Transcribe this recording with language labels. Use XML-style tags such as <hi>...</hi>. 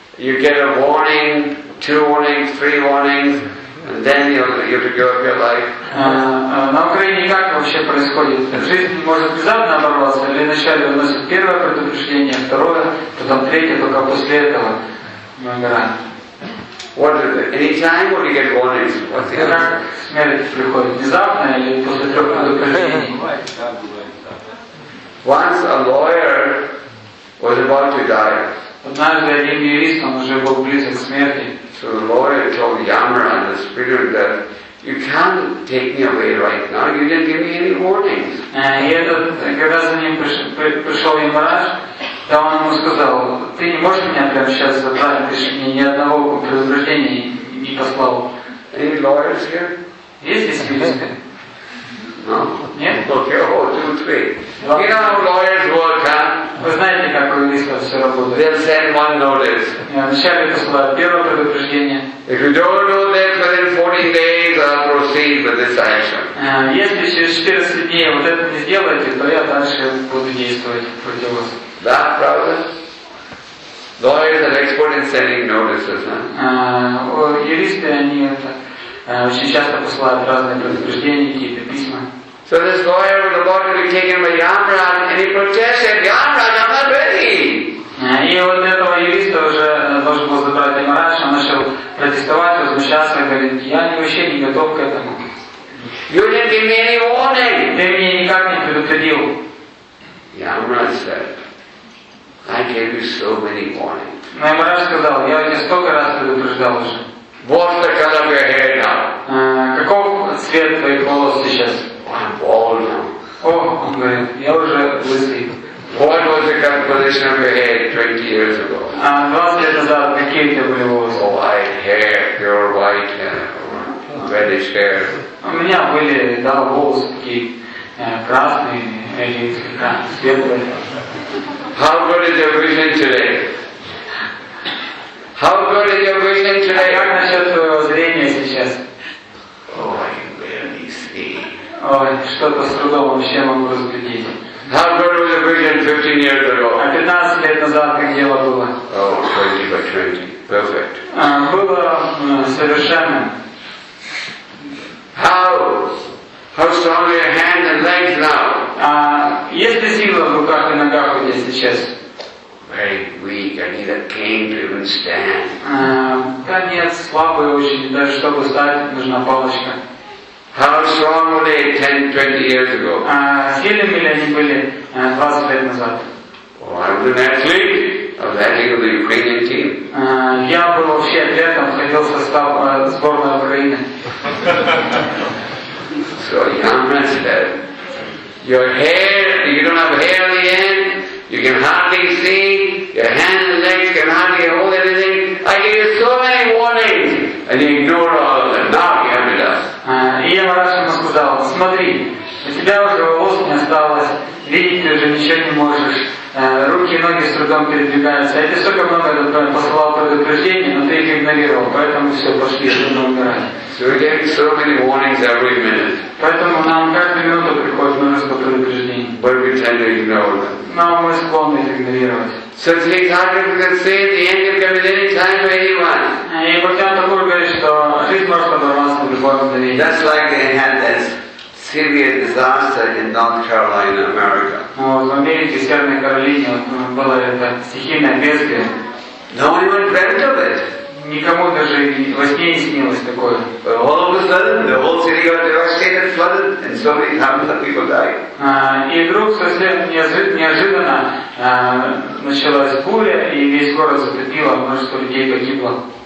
<en>You get a warning, two warnings, three warnings, and then you have to give up your life.</en> <ru>На Украине как вообще происходит? Жизнь может внезапно оборваться, или вначале у нас первое предупреждение, второе, потом третье, только после этого мы умираем.</ru> <en>What is it? Any time, or you get warnings? What's the answer?</en> <ru>Смерть приходит внезапно или после трех предупреждений?</ru> <en>Once a lawyer was about to die.</en> <ru>Однажды один юрист, он уже был близок к смерти.</ru> <en>So the lawyer told Yamaraj, the spirit, that you can't take me away right now. You didn't give me any warnings.</en> <ru>И этот, когда за ним пришел Yamaraj, то он ему сказал: ты не можешь меня прямо сейчас забрать, ты же мне ни одного предупреждения не послал.</ru> <en>Any lawyers here?</en> <ru>Есть здесь юристы?</ru> <en>No?</en> <ru>Нет?</ru> <en>Okay, two, three. You know how lawyers work, huh?</en> <ru>Вы знаете, как у юристов все работает?</ru> <en>They'll send one notice.</en> <ru>Вначале посылают первое предупреждение.</ru> <en>If you don't know that within 14 days, I'll proceed with this action.</en> <ru>Если через 14 дней вот это не сделаете, то я дальше буду действовать против вас. Да, правда?</ru> <en>Lawyers are expert in sending notices, huh?</en> <ru>Юристы, они это... очень часто посылают разные предупреждения, какие-то письма.</ru> <en>So this lawyer was about to be taken by Yamaraj, and he protested, Yamaraj, I'm not ready.</en> <ru>И вот этого юриста уже должен был забрать Yamaraj, он начал протестовать, возмущаться, говорит, я вообще не готов к этому.</ru> <en>You didn't give me any warning.</en> <ru>Ты меня никак не предупредил.</ru> <en>Yamaraj said, I gave you so many warnings.</en> <ru>Но Yamaraj сказал, я тебя столько раз предупреждал уже.</ru> <en>What's the color of your hair now?</en> <ru>Каков цвет твоих волос сейчас?</ru> <en>I'm bald now.</en> <ru>Oh, он говорит, я уже лысый.</ru> <en>What was the composition of your hair 20 years ago?</en> <ru>20 лет назад, какие у тебя были волосы?</ru> <en>Oh, white hair, pure white hair, reddish hair.</en> <ru>У меня были, да, волосы такие красные или светлые.</ru> <en>How good is your vision today? How good is your vision today?</en> <ru>Как насчет твоего зрения сейчас?</ru> <en>Oh, I barely see.</en> <ru>Ой, что-то с трудом вообще могу разглядеть.</ru> <en>How good was your vision 15 years ago?</en> <ru>А 15 лет назад как дело было?</ru> <en>Oh, 20 by 20. Perfect.</en> <ru>Было совершенно.</ru> <en>How strong are your hands and legs now?</en> <ru>Есть ли сила в руках и ногах у тебя сейчас?</ru> <en>Very weak. I need a cane to even stand.</en> <ru>Конец слабый очень. Даже чтобы встать, нужна палочка.</ru> <en>How strong were they 10-20 years ago?</en> <ru>Сильными ли они были 20 лет назад?</ru> <en>Well, I was an athlete. I was athlete of the Ukrainian team.</en> <ru>Я был вообще атлетом, входил в состав сборной Украины.</ru> <en>So Yamaraj said, your hair, you don't have hair on the end. You can hardly see, your hands and legs can hardly hold anything. I gave you so many warnings, and you ignored all of them. Now you have it up.</en> <ru>И Yamaraj ему сказал, смотри, у тебя уже волос не осталось, видеть ты уже ничего не можешь, руки и ноги с трудом передвигаются. Я тебе столько много посылал предупреждений, но ты их игнорировал, поэтому все, пошли, нужно умирать.</ru> <en>So we're getting so many warnings every minute.</en> <ru>Поэтому нам каждую минуту приходит множество предупреждений.</ru> <en>But we tend to ignore them.</en> <ru>Но мы склонны их игнорировать.</ru> <en>Since he's hard to say, the end can come at any time for anyone.</en> <ru>И Бхактян Такур говорит, что жизнь может оборваться в любой мгновение.</ru> <en>Just like they had this serious disaster in North Carolina, America.</en> <ru>В Америке, в Северной Каролине, было это стихийное бедствие.</ru> <en>No one dreamt of it.</en> <ru>Никому даже во сне не снилось такое.</ru> <en>But all of a sudden, the whole city got devastated, flooded, and so many thousands of people died.</en> <ru>И вдруг совсем неожиданно началась буря, и весь город затопило, множество людей погибло.</ru>